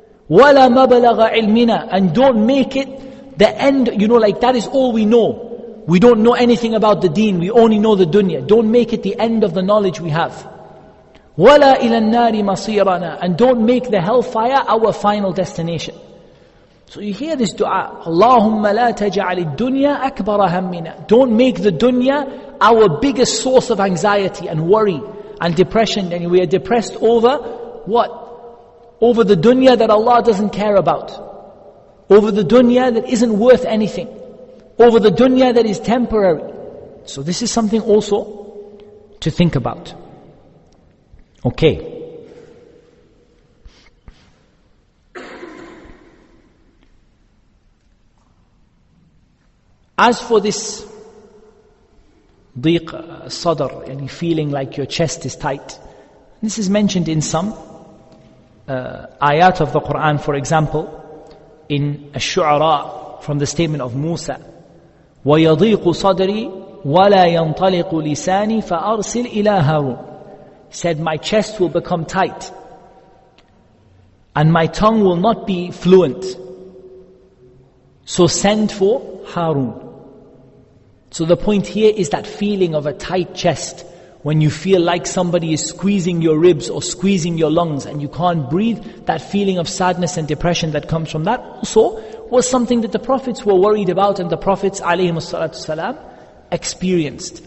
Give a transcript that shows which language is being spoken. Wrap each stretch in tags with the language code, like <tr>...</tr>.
<ar>وَلَا مَبَلَغَ عِلْمِنَا.</ar> <en>And don't make it the end, you know, like that is all we know. We don't know anything about the deen, we only know the dunya. Don't make it the end of the knowledge we have.</en> <ar>وَلَا إِلَى النَّارِ مَصِيرَنَا.</ar> <en>And don't make the hellfire our final destination. So you hear this dua,</en> <ar>اللهم لا تجعل الدنيا أكبر همنا.</ar> <en>Don't make the dunya our biggest source of anxiety and worry and depression. And we are depressed over what? Over the dunya that Allah doesn't care about. Over the dunya that isn't worth anything. Over the dunya that is temporary. So this is something also to think about. Okay. As for this ضيق صدر, any feeling like your chest is tight, this is mentioned in some ayat of the Quran. For example, in</en> <ar>الشعراء,</ar> <en>from the statement of Musa,</en> <ar>وَيَضِيقُ صَدْرِي وَلَا يَنْطَلِقُ لِسَانِي فَأَرْسِلْ إِلَى هَارُونَ.</ar> <en>Said, my chest will become tight and my tongue will not be fluent. So send for Harun. So the point here is that feeling of a tight chest, when you feel like somebody is squeezing your ribs or squeezing your lungs and you can't breathe, that feeling of sadness and depression that comes from that also was something that the prophets were worried about and the prophets alayhi salatu salam experienced.</en>